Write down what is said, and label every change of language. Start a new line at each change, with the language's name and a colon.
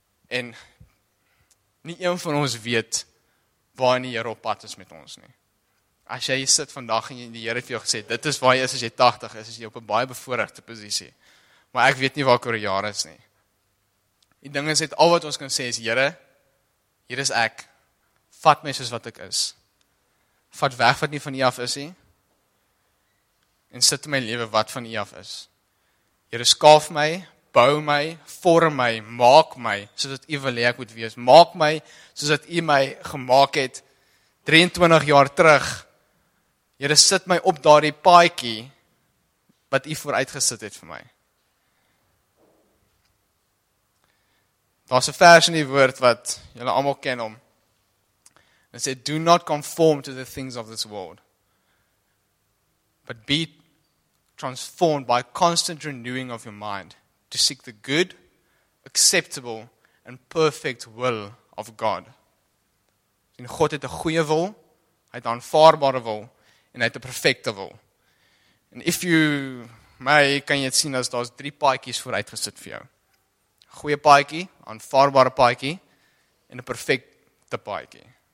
Afrikaans: En nie een van ons weet waar die Here op pad is met ons nie. As jy sit vandag en die Here het vir jou gesê, dit is waar jy is as jy 80 is, as jy op 'n baie bevoorregte posisie. Maar ek weet nie waar ek oor jare is nie. Die ding is, het al wat ons kan sê is, Here, hier is ek, vat my soos wat ek is. Vat weg wat nie van U af is nie. En sit in my lewe wat van U af is. Here, skaaf my, bou my, vorm my, maak my soos wat U wil hê ek moet wees. Maak my soos wat U my gemaak het 23 jaar terug. Here, sit my op daardie paadjie wat U vooruitgesit het vir my. Daar's 'n vers in die woord wat julle almal ken hom. Dit sê
English: do not conform to the things of this world, but be transformed by constant renewing of your mind to seek the good, acceptable and perfect will of God.
Afrikaans: En God het 'n goeie wil, hy het 'n aanvaarbare wil en hy het 'n perfekte wil.
English: And if you may,
Afrikaans: kan jy sien as daar's 3 paadjies vooruitgesit vir jou. Goeie paadjie, aanvaarbare paadjie en 'n perfekte paadjie.